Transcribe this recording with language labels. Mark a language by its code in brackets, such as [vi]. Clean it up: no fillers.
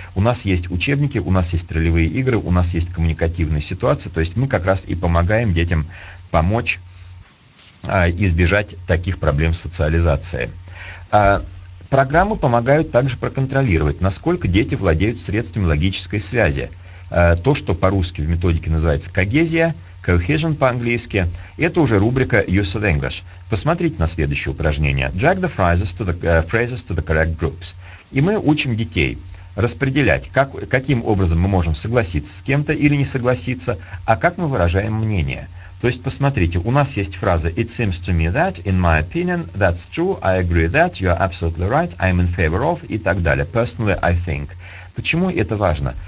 [ru] У нас есть учебники, у нас есть ролевые игры, у нас есть коммуникативные ситуации, то есть мы как раз и помогаем детям помочь избежать таких проблем социализации. Программы помогают также проконтролировать, насколько дети владеют средствами логической связи. То, что по-русски в методике называется когезия, cohesion по-английски, это уже рубрика Use of English. Посмотрите на следующее упражнение. [en] Drag the phrases to the, phrases to the correct groups. [ru] И мы учим детей распределять, каким образом мы можем согласиться с кем-то или не согласиться, а как мы выражаем мнение. То есть, посмотрите, у нас есть фраза [en] «It seems to me that, in my opinion, that's true, I agree that, you are absolutely right, I'm in favor of» [ru] и так далее. [en] «Personally, I think». [ru] Почему это важно?